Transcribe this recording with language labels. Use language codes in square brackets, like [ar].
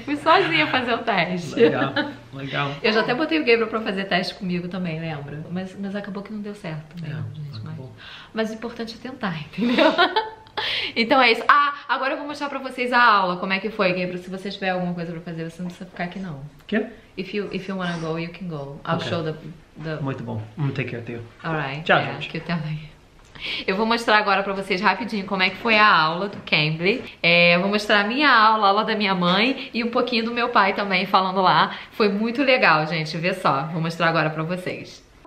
[pt] Fui sozinha fazer o teste. Legal. Eu já até botei o Gabriel pra fazer teste comigo também, lembra? Mas acabou que não deu certo. Mesmo, gente. Mas o importante é tentar, entendeu? Então é isso. Ah, agora eu vou mostrar pra vocês a aula. Como é que foi, Gabriel? Se você tiver alguma coisa pra fazer, você não precisa ficar aqui, não. Que? [en] If you wanna go, you can go. I'll show the... [pt] Muito bom. [en] I'm gonna take care of you. Alright. [pt] Tchau, gente. Que eu também. Eu vou mostrar agora pra vocês rapidinho como é que foi a aula do Cambly. Eu vou mostrar a minha aula, a aula da minha mãe e um pouquinho do meu pai também falando lá. Foi muito legal, gente. Vê só. Vou mostrar agora pra vocês.